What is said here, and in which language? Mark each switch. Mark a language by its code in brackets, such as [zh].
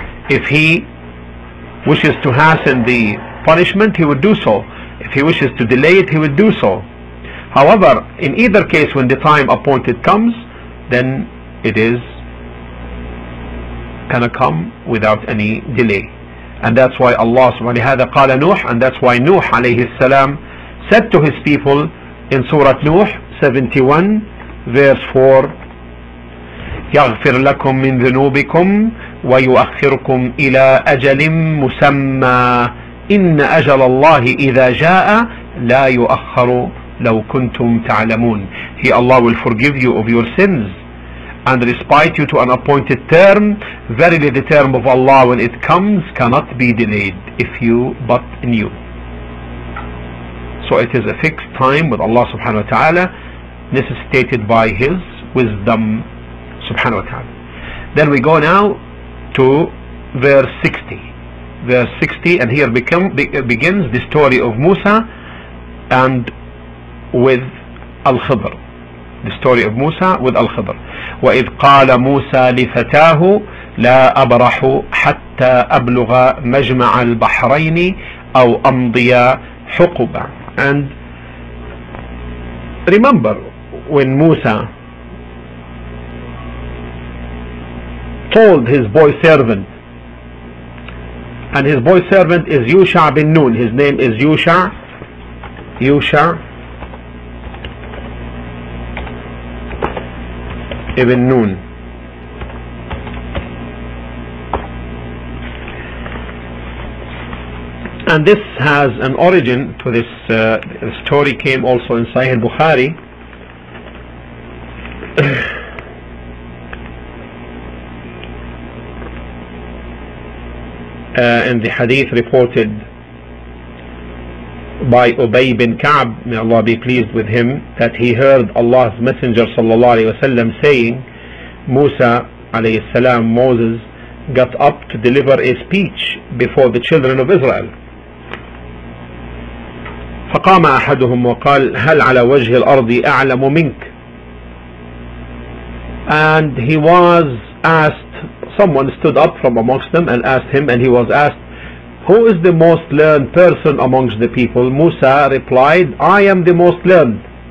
[en] If he wishes to hasten the punishment, he would do so. If he wishes to delay it, he would do so. However, in either case, when the time appointed comes, then it is gonna come without any delay. And that's why Allah subhanahu wa ta'ala [ar] قال نوح, [en] and that's why Nuh alayhi salam said to his people in Surah Nuh 71:4, [ar] يغفر لكم من ذنوبكم ويؤخركم إلى أجل مسمى إن أجل الله إذا جاء لا يؤخر لو كنتم تعلمون. [en] He, Allah, will forgive you of your sins and respite you to an appointed term. Verily the term of Allah when it comes cannot be delayed if you but knew. So it is a fixed time with Allah subhanahu wa ta'ala, necessitated by His wisdom subhanahu wa ta'ala. Then we go now to verse 60, and here begins the story of Musa and with Al-Khidr. The story of Musa with Al-Khidr. [ar] وَإِذْ قَالَ مُوسَى لِفَتَاهُ لَا أَبْرَحُ حَتَّى أَبْلُغَ مَجْمَعَ الْبَحْرَيْنِ أَوْ أَمْضِيَ حُقُبًا. [en] And remember when Musa told his boy servant, and his boy servant is Yusha bin Nun, his name is Yusha ibn Nun. And this has an origin to this story, came also in Sahih al-Bukhari. In the hadith reported by Ubay bin Ka'b, may Allah be pleased with him, that he heard Allah's Messenger sallallahu alayhi wa sallam saying, Musa alayhi salam, Moses, got up to deliver a speech before the children of Israel. [ar] فقام أحدهم وقال هل على وجه الأرض أعلم منك. [en] And he was asked, someone stood up from amongst them and asked him, and he was asked, who is the most learned person amongst the people? Musa replied, I am the most learned.